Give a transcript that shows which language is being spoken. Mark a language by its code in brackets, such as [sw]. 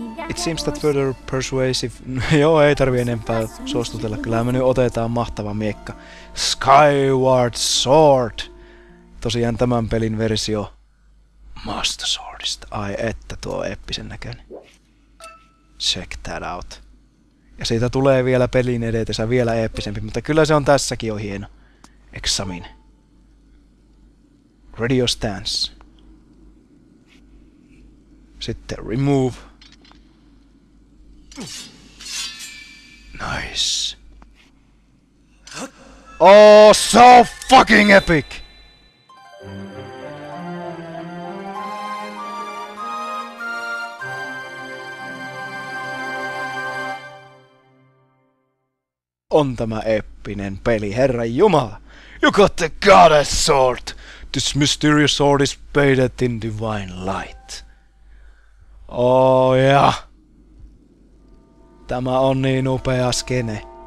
[en] It seems that further persuasive... [fi] Joo, ei tarvii enempää suostutella. Kyllä me nyt otetaan mahtava miekka. Skyward Sword! Tosiaan tämän pelin versio Master Swordista. Ai että, tuo on eeppisen näköinen. [en] Check that out. [fi] Ja siitä tulee vielä pelin edetessä vielä eeppisempi, mutta kyllä se on tässäkin jo hieno. [en] Examine. Ready your stance. [fi] Sitten remove. [en] Nice. Oh, so fucking epic! [fi] On tämä eeppinen peli, herra jumala! [en] You got the goddess sword! This mysterious sword is bathed in divine light. Oh yeah! [fi] Tämä on niin upea skene.